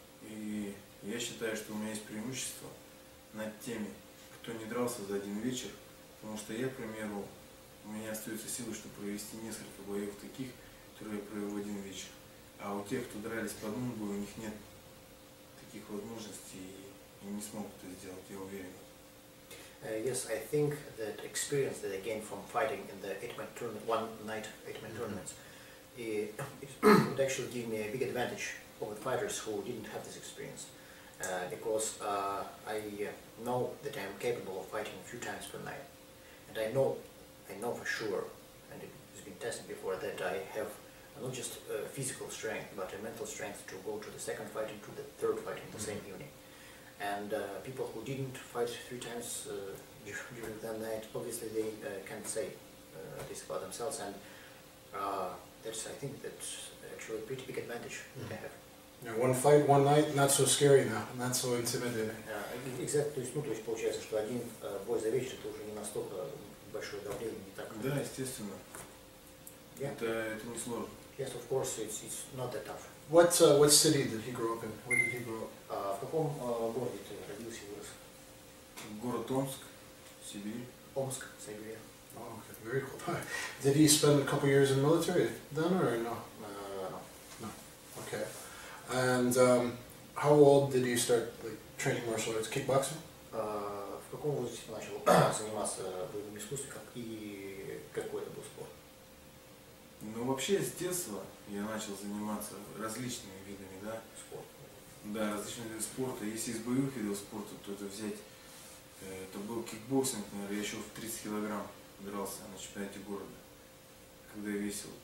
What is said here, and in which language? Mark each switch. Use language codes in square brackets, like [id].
[ru] И я считаю, что у меня есть преимущество над теми, кто не дрался за один вечер. Потому что я, к примеру, у меня остаются силы, чтобы провести несколько боев таких, которые я провел в один вечер. А у тех, кто дрались по одному бою, у них нет таких возможностей и не смогут это сделать, я уверен. [en] Yes, I think that experience that I gained from fighting in the eight-man tournament, one-night eight-man tournaments, it would actually give me a big advantage over the fighters who didn't have this experience. Because I know that I'm capable of fighting a few times per night. And I know for sure, and it's been tested before, that I have not just physical strength, but a mental strength to go to the second fight and to the third fight in the same evening. And people who didn't fight 3 times during that night, obviously they can't say this about themselves, and that's, I think, that's actually a pretty big advantage they have. Yeah, one fight, one night, not so scary now, not so intimidating. Yeah, exactly. So, it's [ru] получается, что один бой за вечер это уже не настолько большое давление, не так. Да, естественно. [en] Yeah. [ru] Это не сложно. [en] Yes, of course, it's not that tough. What city did he grow up in? Where did he grow up? [ru] В каком городе ты родился и вырос? Город Омск, Сибирь. Омск, Сибирь. [en] Oh, okay. Very cool. Did he spend a couple years in the military then or no? No. No. Okay. And how old did you start like training martial arts, kickboxing? [ru] В каком возрасте ты начал заниматься боевым искусством, как и какой это был спорт? Ну вообще с детства я начал заниматься различными видами, да? Спорт. Да, различные виды спорта. Если из боевых видов спорта, то это взять, это был кикбоксинг, наверное, я еще в 30 килограмм дрался на чемпионате города, когда я весил.